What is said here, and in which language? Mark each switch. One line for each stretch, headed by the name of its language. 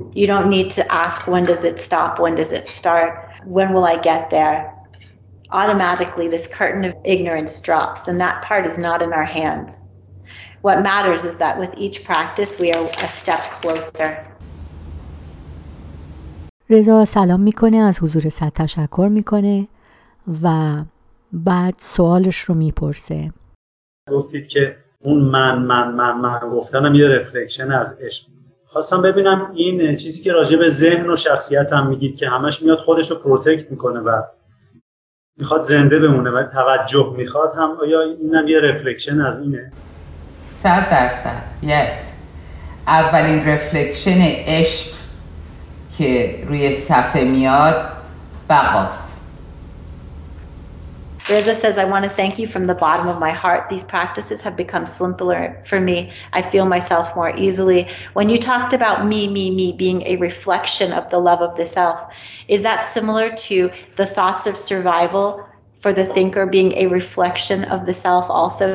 English: You don't need to ask, when does it stop? When does it start? When will I get there? Automatically, this curtain of ignorance drops, and that part is not in our hands. What matters is that with each practice, we are a step closer.
Persian: رضا سلام میکنه، از حضور سات تشکر میکنه و بعد سوالش رو میپرسه. گفتید که اون من گفتنم یه رفلکشن از عشق. خواستم ببینم این چیزی که راجع به ذهن و شخصیت هم میگید که همش میاد خودش رو پروتکت میکنه و میخواد زنده بمونه و توجه میخواد، هم آیا اینم یه رفلکشن از اینه؟
English: 100%. Yes.
Persian: اولین رفلکشن عشق که روی صفحه میاد بقاست.
English: Reza says, I want to thank you from the bottom of my heart. These practices have become simpler for me. I feel myself more easily. When you talked about me being a reflection of the love of the self, is that similar to the thoughts of survival for the thinker being a reflection of the self also?